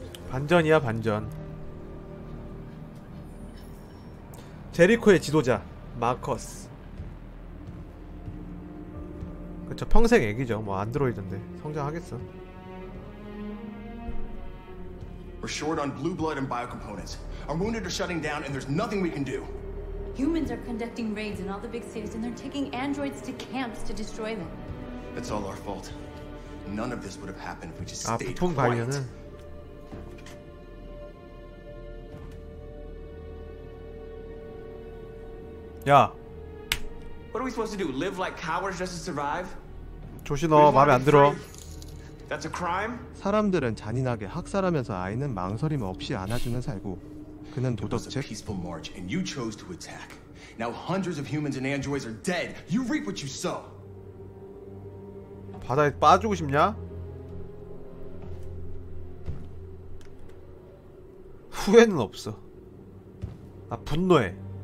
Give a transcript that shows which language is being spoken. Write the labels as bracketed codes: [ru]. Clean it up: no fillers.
[ko] 반전이야 반전. 제리코의 지도자 마커스. 그쵸, 평생 애기죠. 뭐 안드로이드인데 성장하겠어. [en] We're short on blue blood and biocomponents. Our wounded are shutting down and there's nothing we can do. Humans are conducting raids in all the big cities and they're taking androids to camps to destroy them. It's all our fault. None of this would have happened if we just stayed quiet. Yeah. What are we supposed to do? Live like cowards just to survive? [ko] 조신호 마음에 안 들어. [en] That's a crime? [ko] 사람들은 잔인하게 학살하면서 아이는 망설임 없이 안아주는 살고 그는 도덕책. [en] It was a peaceful march and you chose to attack. Now hundreds of humans and androids are dead. You reap what you sow. [ko] 바다에 빠지고 싶냐? 후회는 없어. 나 분노해.